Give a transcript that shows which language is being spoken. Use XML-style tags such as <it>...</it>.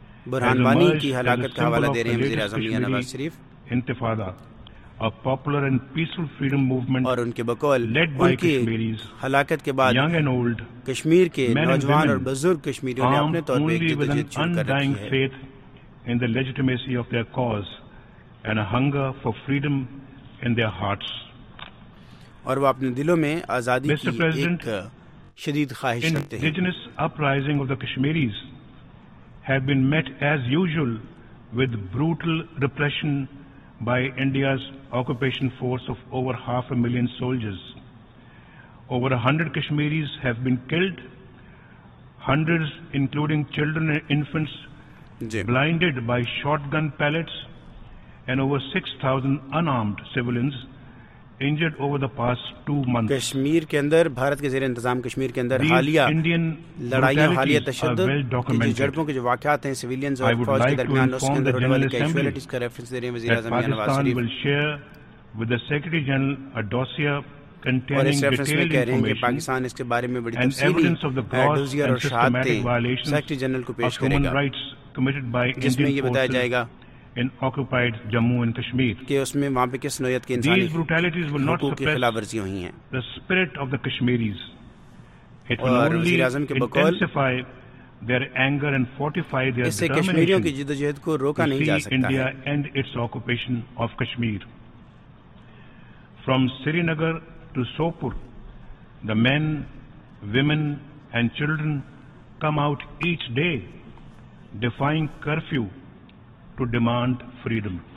<ur>برہان وانی کی ہلاکت کا حوالہ دے رہے ہیں وزیر اعظم Mian Nawaz Sharif.</ur> <en>انتفاضہ A popular and peaceful freedom movement</en> <ur>اور ان کے بقول</ur> <en>led by</en> <ur>ان کی ہلاکت کے بعد</ur> <en>young and old,</en> <ur>کشمیر کے نوجوان اور بزرگ کشمیریوں نے اپنے طور پہ ایک جدوجہد شروع کر رکھی ہے.</ur> <en>faith in the legitimacy of their cause and a hunger for freedom in their hearts.</en> <ur>اور وہ اپنے دلوں میں آزادی کی ایک شدید خواہش رکھتے ہیں.</ur> <en>indigenous uprising of the Kashmiris have been met as usual with brutal repression by India's occupation force of over 500,000 soldiers. Over 100 Kashmiris have been killed, hundreds including children and infants blinded by shotgun pellets, and over 6,000 unarmed civilians injured over the past 2 months.</en> <ur>Kashmir کے اندر بھارت کے زیر انتظام کشمیر کے اندر حالیہ لڑائیاں حالیہ تشدد کی جو جھڑپوں کے جو واقعات ہیں سویلینز اور فوج کے درمیان اس کے اندر ہونے والی کیژوالٹیز کا ریفرنس دے رہے ہیں وزیر اعظم Mian Nawaz Sharif.</ur> <en>will share with the secretary general a dossier</en> <ur>اور اس ریفرنس میں کہہ رہے ہیں کہ پاکستان اس کے بارے میں بڑی تفصیلی ڈوزیر اور شہادتیں سیکرٹری جنرل کو پیش کرے گا جس میں یہ بتایا جائے گا</ur> <en>in occupied Jammu and Kashmir.</en> <ur>کہ اس میں وہاں پہ کس نوعیت کے انسانی حقوق کی خلاف ورزیاں ہوئی ہیں.</ur> <en>The spirit of the Kashmiris.</en> <ur>It اور وزیر اعظم کے بقول</ur> <en>their anger and fortify their</en> <ur>اس سے کشمیریوں کی جدوجہد کو روکا نہیں جا سکتا</ur> <en>India end its occupation of Kashmir. From Srinagar to Sopur, the men, women and children come out each day defying curfew to demand freedom.</en>